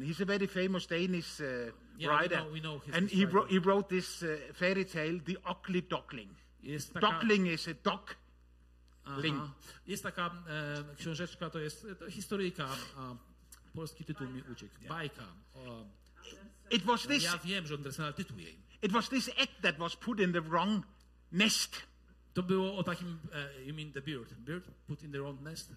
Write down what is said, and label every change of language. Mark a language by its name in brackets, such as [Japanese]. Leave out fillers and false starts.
[English] He's a very famous Danish writer. We know his and he wrote this fairy tale, The Ugly Duckling. [Polish] Jest taka... [English] Duckling is a duck. Link. [Polish] Jest taka książeczka, to jest to historyjka. Polski tytuł mi uciekł. Yeah. Bajka. [English] It was this. [Polish] Ja wiem, że Andersen, ale tytuł jej. [English] It was this egg that was put in the wrong nest. [Polish] To było o takim. [English] You mean the bird? Bird put in the wrong nest?